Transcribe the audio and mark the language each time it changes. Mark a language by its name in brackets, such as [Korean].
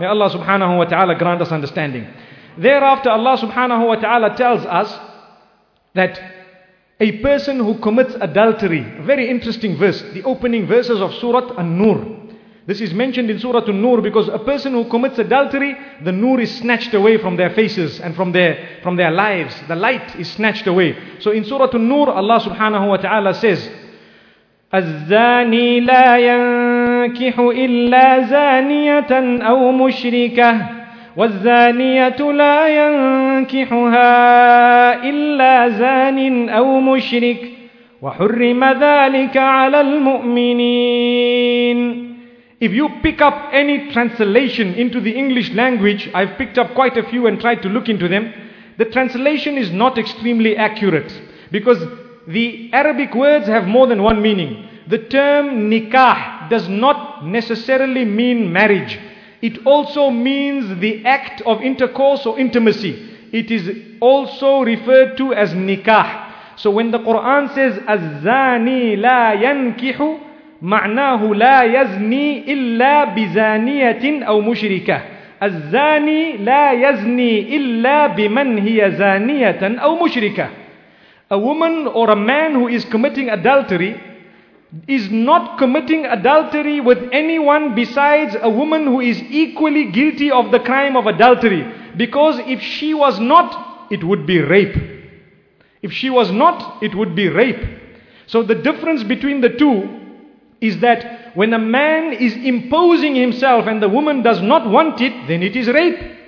[English] May Allah subhanahu wa ta'ala grant us understanding. Thereafter, Allah subhanahu wa ta'ala tells us that a person who commits adultery, very interesting verse, the opening verses of Surah An-Nur. This is mentioned in Surah An-Nur because a person who commits adultery, the nur is snatched away from their faces and from their lives. The light is snatched away. So in Surah An-Nur, Allah subhanahu wa ta'ala says, [Arabic] الزاني لا ينكح إلا زانية أو مشركة والزانية لا ينكحها إلا زان أو مشرك وحرم ذلك على المؤمنين. [English] If you pick up any translation into the English language, I've picked up quite a few and tried to look into them, the translation is not extremely accurate, because the Arabic words have more than one meaning. The term nikah does not necessarily mean marriage. It also means the act of intercourse or intimacy. It is also referred to as nikah. So when the Quran says [Arabic] الزاني لا ينكح معناه لا يزني إلا بزانية أو مشركة الزاني لا يزني إلا بمن هي زانية أو مشركة. [English] A woman or a man who is committing adultery, is not committing adultery with anyone besides a woman who is equally guilty of the crime of adultery. Because if she was not, it would be rape. If she was not, it would be rape. So the difference between the two is that when a man is imposing himself and the woman does not want it, then it is rape.